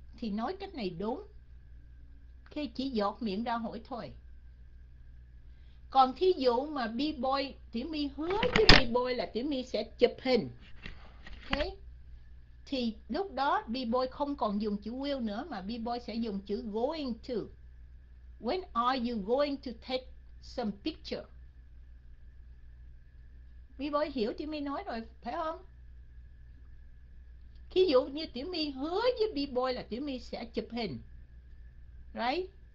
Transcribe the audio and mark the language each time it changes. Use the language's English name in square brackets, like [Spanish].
[Vietnamese] thì nói cách này đúng, khi chỉ dột miệng ra hỏi thôi. Còn thí dụ mà B boy, Tiểu My hứa với B boy là Tiểu My sẽ chụp hình, thế thì lúc đó B boy không còn dùng chữ will nữa, mà B boy sẽ dùng chữ going to. [English] When are you going to take some picture? [Vietnamese] B boy hiểu Tiểu My nói rồi phải không? Ví dụ như Tiểu My hứa với B boy là Tiểu My sẽ chụp hình, right?